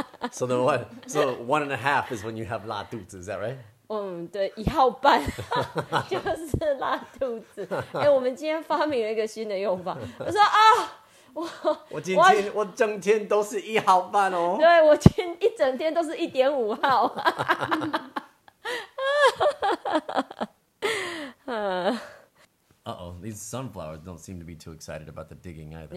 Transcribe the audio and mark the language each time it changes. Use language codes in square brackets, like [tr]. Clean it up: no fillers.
[en] So then what? So one and a half is when you have 拉肚子, is that right? [zh] 嗯，对，一号半就是拉肚子。哎、欸，我们今天发明了一个新的用法。我说啊，我整天都是一号半哦。对，我今天一整天都是1.5号。 [en] Uh-oh, these sunflowers don't seem to be too excited about the digging either.